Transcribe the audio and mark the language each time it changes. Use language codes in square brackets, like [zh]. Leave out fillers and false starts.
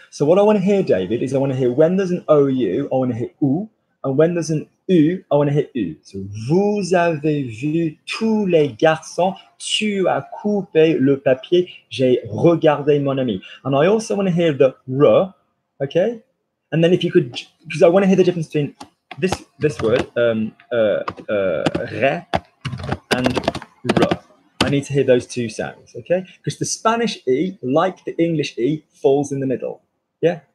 [en] So what I want to hear, David, is I want to hear when there's an OU, I want to hear OU, and when there's an U, I want to hear U. [fr] So vous avez vu tous les garçons, tu as coupé le papier, j'ai regardé mon ami. [en] And I also want to hear the R, okay? And then if you could, because I want to hear the difference between this word, re and R. I need to hear those two sounds, okay? Because the Spanish E, like the English E, falls in the middle, yeah?